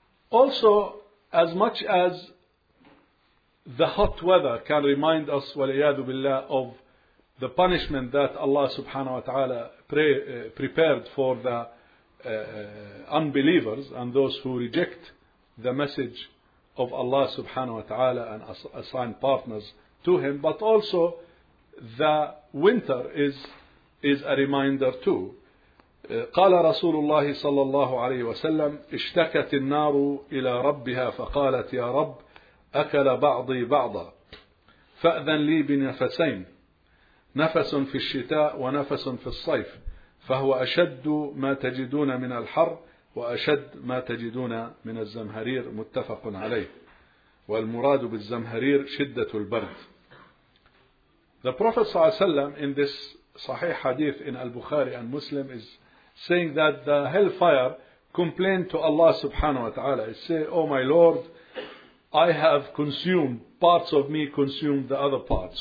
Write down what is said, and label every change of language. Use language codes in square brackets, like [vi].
[en] Also, as much as the hot weather can remind us, [ar] وَلَيَاذُ بِاللَّهِ, [en] of the punishment that Allah subhanahu wa ta'ala prepared for the unbelievers and those who reject the message of Allah subhanahu wa ta'ala and assign partners to him, but also the winter is a reminder too. [ar] قال رسول الله صلى الله عليه وسلم اشتكت النار إلى ربها فقالت يا رب أكل بعضي بعضا فأذن لي بنفسين نفس في الشتاء ونفس في الصيف فهو أشد ما تجدون من الحر وأشد ما تجدون من الزمهرير. متفق عليه. والمراد بالزمهرير شدة البرد. [en] The Prophet صلى الله عليه وسلم in this صحيح حديث in Al-Bukhari and Muslim is saying that the hellfire complained to Allah subhanahu wa ta'ala. He said, Oh my Lord, I have consumed, parts of me consumed the other parts.